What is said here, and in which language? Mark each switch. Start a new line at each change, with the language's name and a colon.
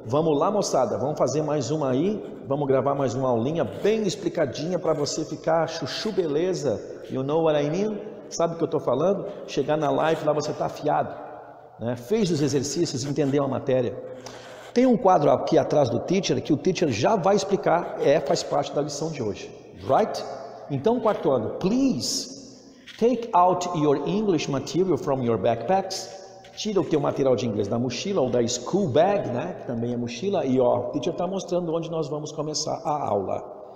Portuguese: Vamos lá, moçada, vamos fazer mais uma aí. Vamos gravar mais uma aulinha bem explicadinha para você ficar chuchu beleza.
English: You know what I mean?
Portuguese: Sabe o que eu estou falando? Chegar na live, lá você está afiado. Né? Fez os exercícios, entendeu a matéria. Tem um quadro aqui atrás do teacher que o teacher já vai explicar, faz parte da lição de hoje.
English: Right?
Portuguese: Então, quarto ano,
English: please take out your English material from your backpacks.
Portuguese: Tira o teu material de inglês da mochila ou da school bag, né? Que também é mochila. E ó, o teacher está mostrando onde nós vamos começar a aula.